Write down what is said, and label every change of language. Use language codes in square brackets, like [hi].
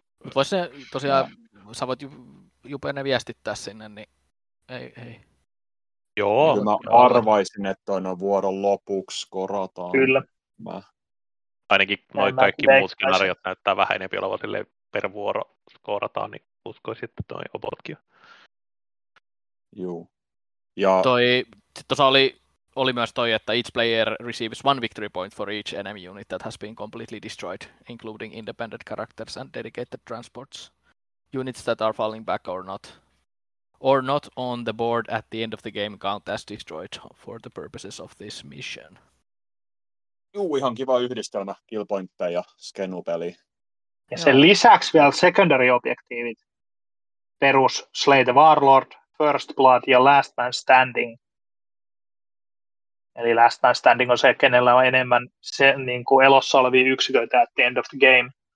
[fi] Mutta voisi tosiaan, sä voit Jupeen ne viestittää sinne, niin ei. Joo. Kyllä mä arvaisin, että toi noin vuoron lopuksi korataan. Kyllä. Ainakin noin kaikki muut skenaariot näyttää vähän enemmän olevan silleen per vuoro korataan, niin uskoisin, että toi obotkin on. Joo. Ja sitten tuossa oli myös toi, että [en] each player receives 1 victory point for each enemy unit that has been completely destroyed, including independent characters and dedicated transports. Units that are falling back or not on the board at the end of the game count as destroyed for the purposes of this mission. [fi] Juu, ihan kiva yhdistelmä killpointteja ja skenupeli. Ja sen lisäksi vielä secondary objektiivit. Perus Slay the Warlord, First Blood ja Last Man Standing. Eli last man standing on se, kenellä on enemmän se, niin kuin elossa olevia yksiköitä [en] at the end of the game.